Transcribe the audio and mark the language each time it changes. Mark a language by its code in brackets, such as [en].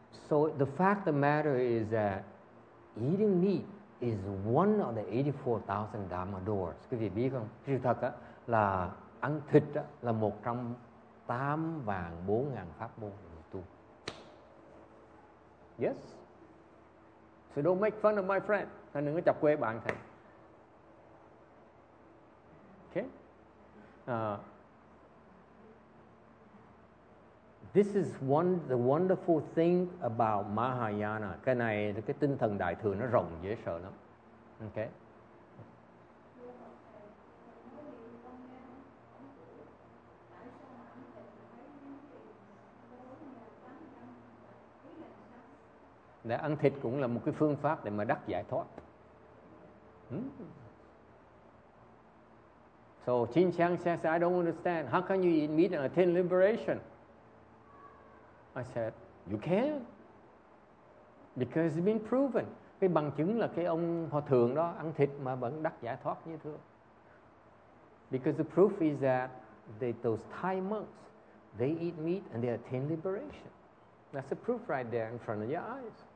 [en] the fact of the matter is that eating meat is one of the 84,000 dharma doors. [vi] Quý vị biết không? Sự thật á là ăn thịt á là 108,400 pháp môn của tu. [en] Yes. So don't make fun of my friend. [vi] Thầy đừng có chọc quê bạn thầy. [en] Okay. This is one the wonderful thing about Mahayana. [vi] Cái này cái tinh thần đại thừa nó rộng dễ sợ lắm. [en] Okay. [vi] Để ăn thịt cũng là một cái phương pháp để mà đắc giải thoát. [en] So Chin Chang says, I don't understand. How can you eat meat and attain liberation? I said, you can. Because it's been proven. [vi] Cái bằng chứng là cái ông hòa thượng đó ăn thịt mà vẫn đắc giải thoát như thường. [en] Because the proof is that those Thai monks, they eat meat and they attain liberation. That's the proof right there in front of your eyes.